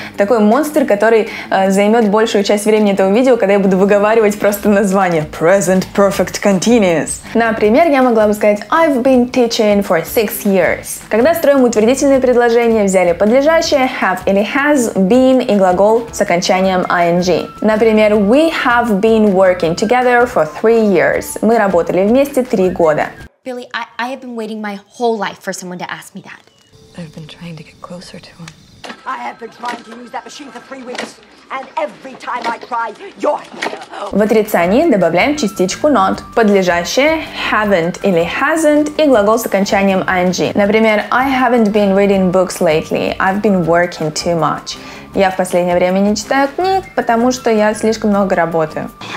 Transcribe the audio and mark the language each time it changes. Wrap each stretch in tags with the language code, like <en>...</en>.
<ru>Такой монстр, который займет большую часть времени этого видео, когда я буду выговаривать просто название – present perfect continuous. Например, я могла бы сказать</ru> <en>I've been teaching for 6 years.</en> <ru>Когда строим утвердительные предложения, взяли подлежащее have или has been и глагол с окончанием ing. Например,</ru> <en>we have been working together. For 3 years.</en> <ru>Мы работали вместе 3 года.</ru> <en>Billy, I have been waiting my whole life for someone to ask me that. I've been trying to get closer to him. I have been trying to use that machine for 3 weeks, and every time I try, you're here.</en> <ru>В отрицании добавляем частичку not, подлежащее haven't или hasn't и глагол с окончанием ing. Например,</ru> <en>I haven't been reading books lately. I've been working too much.</en> <ru>Я в последнее время не читаю книг, потому что я слишком много работаю.</ru>